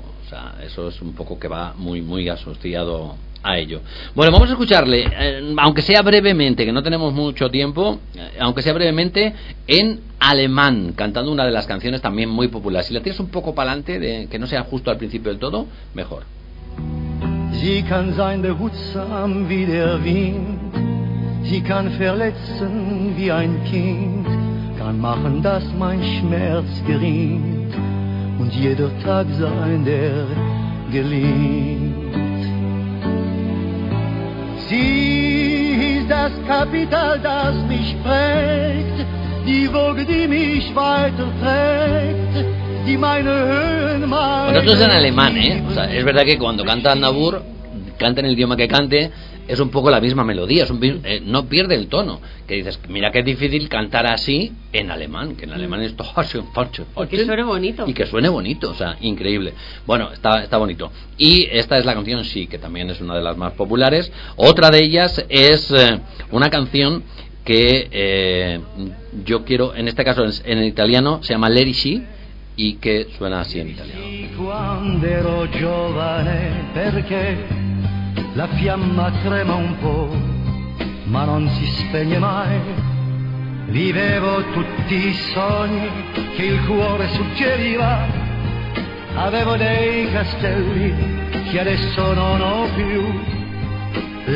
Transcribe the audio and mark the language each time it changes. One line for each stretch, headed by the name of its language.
Spanish: O sea, eso es un poco que va muy, muy asociado a ello. Bueno, vamos a escucharle, aunque sea brevemente, que no tenemos mucho tiempo, aunque sea brevemente, en alemán, cantando una de las canciones también muy populares. Si la tienes un poco para adelante, que no sea justo al principio del todo, mejor.
German: Sie kann sein behutsam wie der Wind. Sie kann verletzen wie ein Kind. Kann machen, dass mein Schmerz geringt und jeder Tag sein, der gelingt. Sie ist das Kapital, das mich prägt, die Woge, die mich weiterträgt.
Spanish: Bueno, esto es en alemán, ¿eh? O sea, es verdad que cuando canta Aznavour, cante en el idioma que cante, es un poco la misma melodía, es un, no pierde el tono. Que dices, mira que es difícil cantar así en alemán, que en alemán es... Y que suene bonito. Y que suene bonito, o sea, increíble. Bueno, está bonito. Y esta es la canción Sí, que también es una de las más populares. Otra de ellas es una canción que yo quiero, en este caso en el italiano, se llama Leri Sì. Y que suena así en italiano.
Italian: Sì, quando ero giovane, perché la fiamma crema un po', ma non si spegne mai. Vivevo tutti i sogni che il cuore suggeriva. Avevo dei castelli che adesso non ho più.